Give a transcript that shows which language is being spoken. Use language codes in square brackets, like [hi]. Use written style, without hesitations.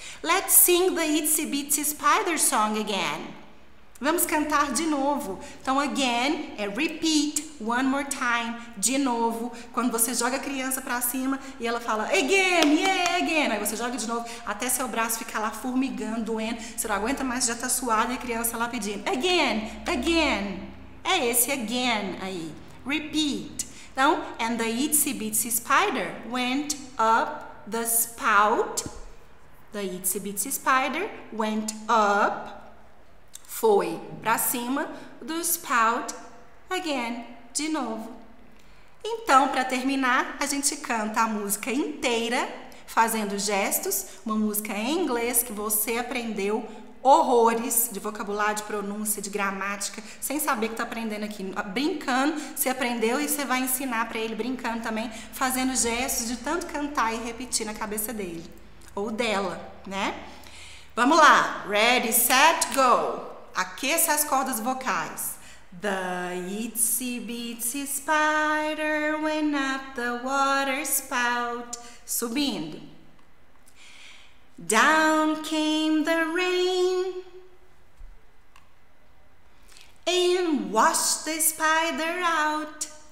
[en] Let's sing the Itsy Bitsy Spider song again. [pt] Vamos cantar de novo. Então, again é [en] repeat, one more time, [pt] de novo. Quando você joga a criança pra cima e ela fala [en] again, yeah, again. [pt] Aí você joga de novo até seu braço ficar lá formigando, doendo. Você não aguenta mais, já tá suado e a criança lá pedindo [en] again, again. [pt] É esse again aí. Repeat. Então, [en] and the itsy bitsy spider went up the spout. The itsy bitsy spider went up, [pt] foi pra cima, [en] the spout again, [pt] de novo. Então, pra terminar, a gente canta a música inteira, fazendo gestos, uma música em inglês que você aprendeu horrores de vocabulário, de pronúncia, de gramática, sem saber que tá aprendendo aqui, brincando, você aprendeu e você vai ensinar para ele brincando também, fazendo gestos de tanto cantar e repetir na cabeça dele, ou dela, né? Vamos lá, [en] ready, set, go! [pt] Aqueça as cordas vocais. [en] The itsy bitsy spider went up the water spout. [pt] Subindo. [en] Down came the rain and washed the spider out.